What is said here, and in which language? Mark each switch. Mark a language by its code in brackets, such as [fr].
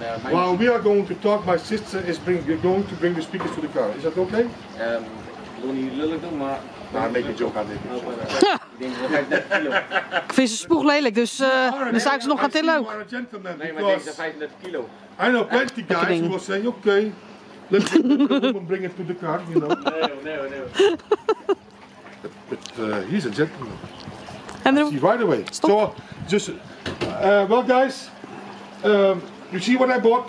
[en] Well, we are going to talk. My sister is going to bring the speakers to the car. Is that okay? [nl] Ik wil niet lullig doen, maar ik maak een joke aan dit. Ik vind ze spoeg lelijk, dus dan zou ik ze nog gaan tillen ook. Nee, maar deze 35 kilo. [en] I know plenty guys who will say, okay, let's come and bring it to the car, you know. [nl] Nee. [en] But he's a gentleman. And see right away. Stop. So, just well, guys, you see what I bought?